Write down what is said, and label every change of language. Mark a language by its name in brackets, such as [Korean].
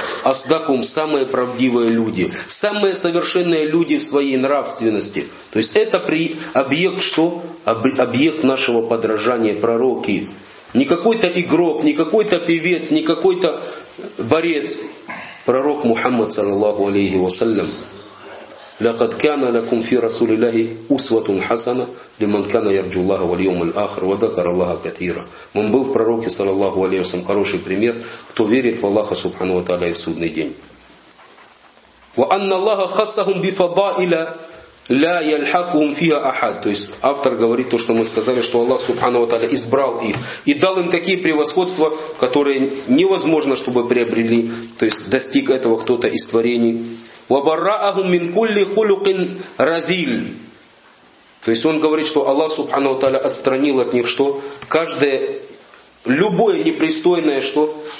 [Russian] Асдакум – самые правдивые люди. Самые совершенные люди в своей нравственности. То есть это объект что? Объект нашего подражания, пророки. Не какой-то игрок, не какой-то певец, не какой-то борец. Пророк Мухаммад, саллаллаху алейхи ва саллям. [Arabic] لقد كان لكم في رسول الله أسوة حسنة لمن كان يرجو الله واليوم الآخر وذكر الله كثيرا. [Russian] Он был в пророке, саллаллаху алейхи ва саллям, хороший пример, кто верит в Аллаха, субхана ва тааля, и в судный день. [Arabic] وأن الله خصهم بفضائل لا يلحقهم فيها أحد. [Russian] То есть автор говорит то, что мы сказали, что Аллах, субхана ва тааля, избрал их и дал им такие превосходства, которые невозможно, чтобы приобрели, то есть достиг этого кто-то из творений. [Arabic] وَبَرَّأَهُمْ مِنْ كُلِّ خُلُقٍ رَذِيلٍ. [Russian] То есть он говорит, что Аллах, субхана ва тааля, отстранил от них что? Каждое, любое непристойное что?